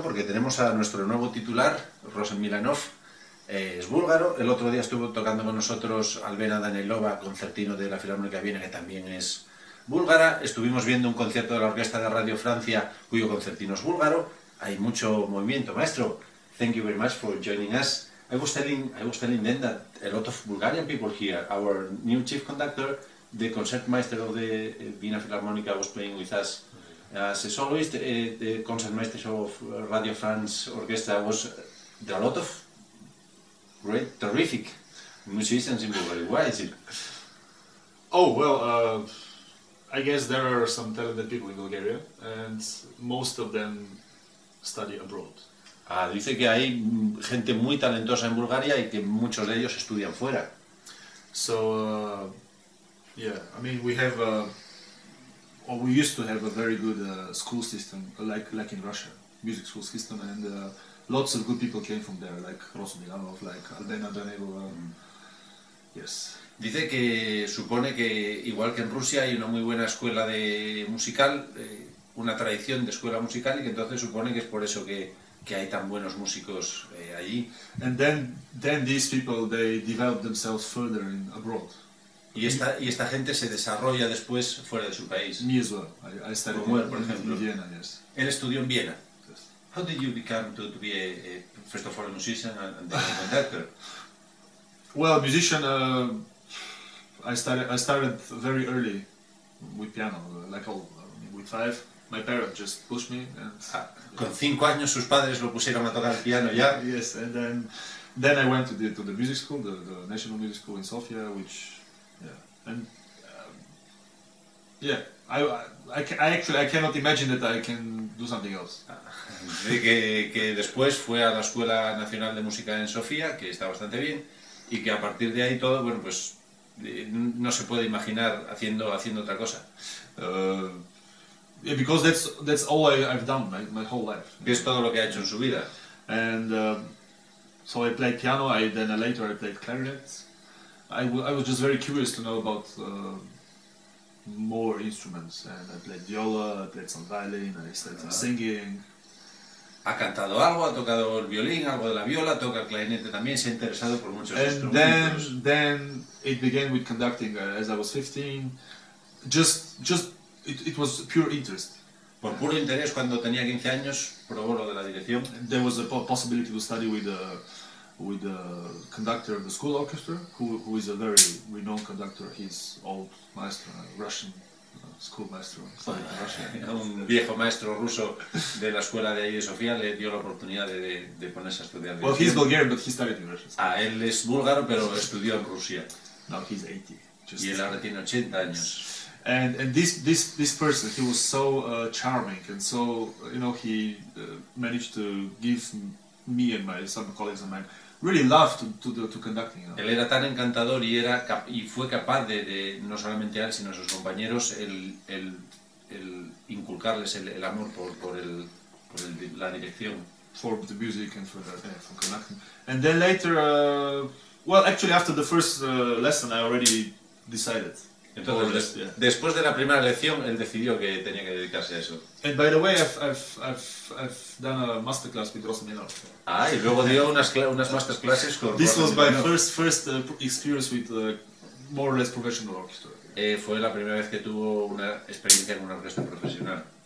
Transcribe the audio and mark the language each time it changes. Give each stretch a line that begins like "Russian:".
Spanish: Porque tenemos a nuestro nuevo titular, Rosen Milanov, es búlgaro. El otro día estuvo tocando con nosotros Albena Danilova, concertino de la Filarmónica de Viena, que también es búlgara. Estuvimos viendo un concierto de la Orquesta de Radio Francia, cuyo concertino es búlgaro. Hay mucho movimiento, maestro.
English: Thank you very much for joining us. I was telling them that a lot of Bulgarian people here. Our new chief conductor, the concertmeister of the Vienna Philharmonica, was playing with us. As is always, the concertmeister of Radio France Orchestra was a lot of great, terrific musicians in Bulgaria. Why is it? Oh, well, I guess there are some talented people in Bulgaria, and most of them study abroad.
Spanish: Ah, dice que hay gente muy talentosa en Bulgaria y que muchos de ellos estudian fuera.
English: So, yeah, I mean, we have, or we used to have a very good school system, like in Russia, music school system, and lots of good people came from there, like Rosen Milanov, like Albena Danilova, yes.
Spanish: Dice que supone que, igual que en Rusia, hay una muy buena escuela de musical, una tradición de escuela musical, y que entonces supone que es por eso que hay tan buenos músicos allí.
English: And then these people, they develop themselves further in abroad.
Spanish: Y esta gente se desarrolla después fuera de su país.
English: Me as well. I studied
Spanish: por ejemplo.
English: In Vienna, yes.
Spanish: Él estudió en Viena.
English: Yes. How did you become to be a first of all a musician and then a conductor? Well, a musician, I started very early with piano, like all, with five. My parents just pushed me.
Spanish: Con 5 años sus padres lo pusieron a tocar el piano ya.
English: Yes, and then I went to the music school, the National Music School in Sofia, which, yeah, and yeah, I cannot imagine that I can do something else.
Spanish: que después fue a la Escuela Nacional de Música en Sofía, que está bastante bien, y que a partir de ahí todo, bueno, pues no se puede imaginar haciendo otra cosa.
English: Yeah, because that's all I've done my whole life.
Spanish: Es todo lo que ha hecho en su vida.
English: And so I played piano. Later I played clarinet. I was just very curious to know about more instruments. And I played viola. I played some violin. I started some singing.
Spanish: Ha cantado algo. Ha tocado el violín. Algo de la viola. Toca el clarinete también. Se ha interesado por muchos instrumentos.
English: And then it began with conducting as I was 15. It was pure interest.
Spanish: Por puro interés, cuando tenía 15 años, probó lo de la dirección.
English: There was a possibility to study with the conductor of the school orchestra, who is a very renowned conductor. He's old maestro, a Russian school maestro.
Spanish: Un viejo maestro ruso de la escuela de ahí de Sofía le dio la oportunidad de ponerse a estudiar.
English: Well, he's Bulgarian, but he studied in Russia.
Spanish: Ah, él es búlgaro, pero estudió en Rusia.
English: Now he's 80.
Spanish: Y él ahora tiene 80 años.
English: And this person, he was so charming, and so, you know, he managed to give me and my some colleagues of mine really love to conducting. You know?
Spanish: Él era tan encantador y fue capaz de no solamente a él sino a sus compañeros el inculcarles el amor por el la dirección.
English: For the music and for conducting. And then later, well, actually after the first lesson, I already decided.
Spanish: Entonces, después de la primera lección, él decidió que tenía que dedicarse a eso.
English: And by the way, I've done a masterclass with Rosen Milanov.
Spanish: Ah, y luego dio unas masterclasses con
English: Rosen Milanov. This was my first experience with a more or less professional orchestra.
Spanish: Fue la primera vez que tuvo una experiencia con una orquesta profesional.